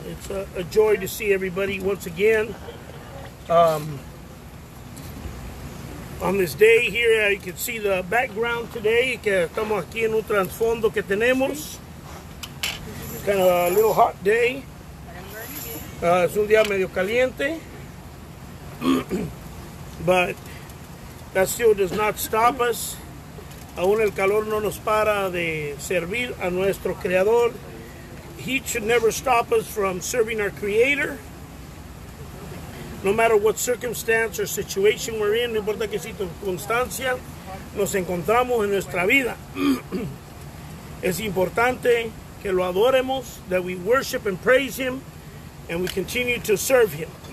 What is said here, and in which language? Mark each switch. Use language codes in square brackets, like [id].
[en] It's a joy to see everybody once again. On this day here, you can see the background today. [es] Que estamos aquí en un trasfondo que tenemos. [en] Kind of a little hot day. [es] Es un día medio caliente. [en] But that still does not stop us. [es] Aún el calor no nos para de servir a nuestro Creador. [en] He should never stop us from serving our Creator. No matter what circumstance or situation we're in, [es] no importa qué circunstancia nos encontramos en nuestra vida. Es importante que lo adoremos, [en] that we worship and praise Him, and we continue to serve Him.